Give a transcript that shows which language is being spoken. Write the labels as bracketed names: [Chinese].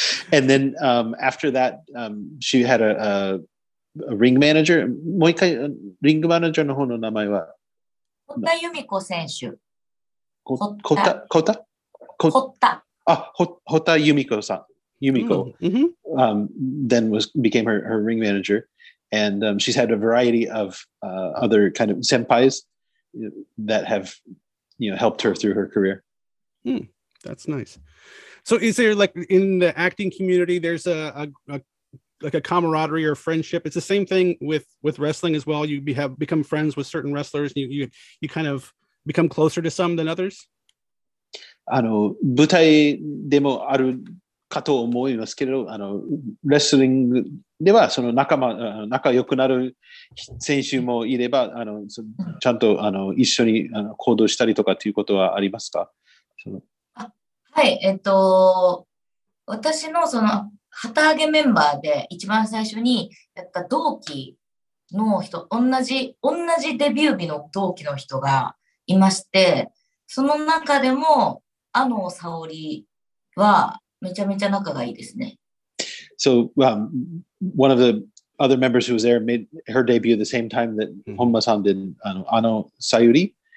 [English] And then, after that, she had a ring manager. [Japanese] もう一回、リングマネージャーの方の名前は？堀田由美子選手。堀田由美子さん。由美子。 [English] Then became her ring manager. And she's had a variety of other kind of senpais that have, you know, helped her through her career. That's nice. So is there, like, in the acting community, there's a camaraderie or friendship? It's the same thing with wrestling as well. You become friends with certain wrestlers, and you kind of become closer to some than others? [Japanese] あの、舞台でもあるかと思いますけど、あの、レスリングでは、その仲良くなる選手もいれば、あの、ちゃんと、あの、一緒に行動したりとかということはありますか？はい、私のその旗揚げメンバーで一番最初にやった同期の人、同じデビュー日の同期の人がいまして、その中でも、あの、沙織はめちゃめちゃ仲がいいですね。 [English] So, one of the other members who was there made her debut the same time that Honma さん did, [Japanese] あの、沙織？